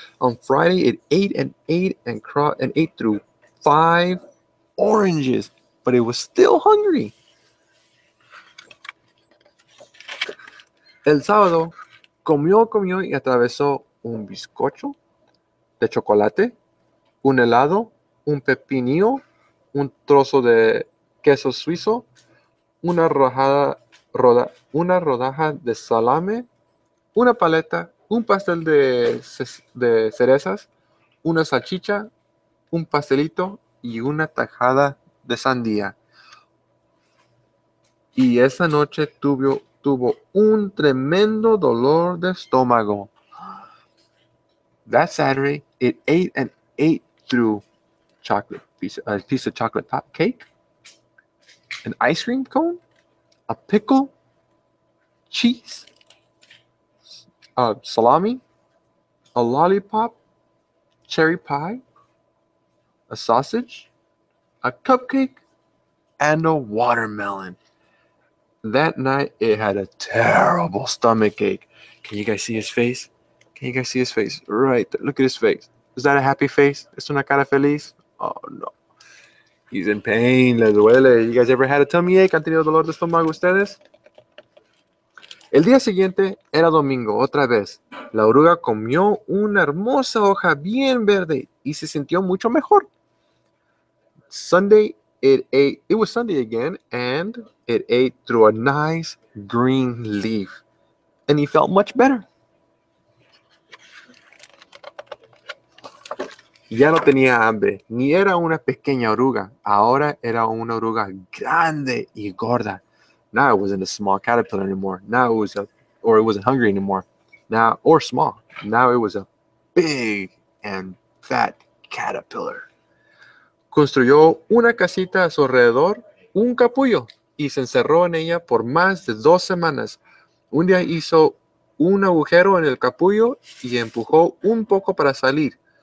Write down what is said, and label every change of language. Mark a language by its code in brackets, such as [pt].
[en] On Friday, it ate and ate and ate through five oranges, but it was still hungry. [es] El sábado, comió y atravesó un bizcocho de chocolate, un helado, un pepinillo, un trozo de queso suizo, una rodaja de salame, una paleta, un pastel de cerezas, una salchicha, un pastelito y una tajada de sandía. Y esa noche tuvo un tremendo dolor de estómago. [en] That Saturday, it ate and ate through chocolate, a piece of chocolate cake, an ice cream cone, a pickle, cheese, a salami, a lollipop, cherry pie, a sausage, a cupcake, and a watermelon. That night, it had a terrible stomach ache. Can you guys see his face? Can you guys see his face? Right there. Look at his face. Is that a happy face? [es] ¿Es una cara feliz? [en] Oh, no. He's in pain. [es] Le duele. [en] You guys ever had a tummy ache? [es] ¿Han tenido dolor de estómago ustedes? El día siguiente era domingo, otra vez. La oruga comió una hermosa hoja bien verde y se sintió mucho mejor. [en] It was Sunday again, and it ate through a nice green leaf, and he felt much better. [es] Ya no tenía hambre, ni era una pequeña oruga. Ahora era una oruga grande y gorda. [en] Now it wasn't a small caterpillar anymore. Now it was a big and fat caterpillar. [es] Construyó una casita a su alrededor, un capullo, y se encerró en ella por más de 2 semanas. Un día hizo un agujero en el capullo y empujó un poco para salir.